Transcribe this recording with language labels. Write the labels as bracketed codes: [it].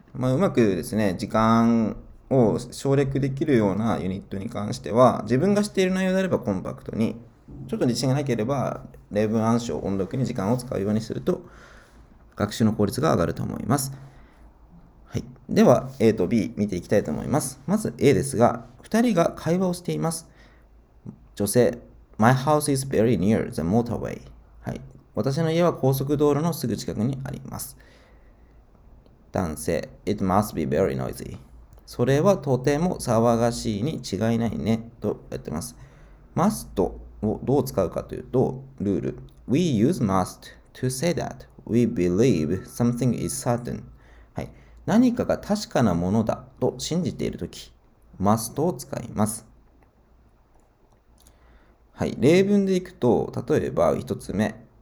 [ja] うまくですね、時間を省略できるようなユニットに関しては、自分が知っている内容であればコンパクトに、ちょっと自信がなければ例文暗唱音読に時間を使うようにすると学習の効率が上がると思います。はい、では A と B 見ていきたいと思います。まず A ですが、2人が会話をしています。 [en] 女性、 My house is very near the motorway。 [ja] はい、私の家は高速道路のすぐ近くにあります。 [en] 男性、 It must be very noisy。 [ja] それはとても騒がしいに違いないねとやってます。 must とをどう使うかというと、ルール。 [en] We use must to say that we believe something is certain。 [ja] はい、何かが確かなものだと信じているとき、must を使います。はい、例文でいくと、例えば一つ目。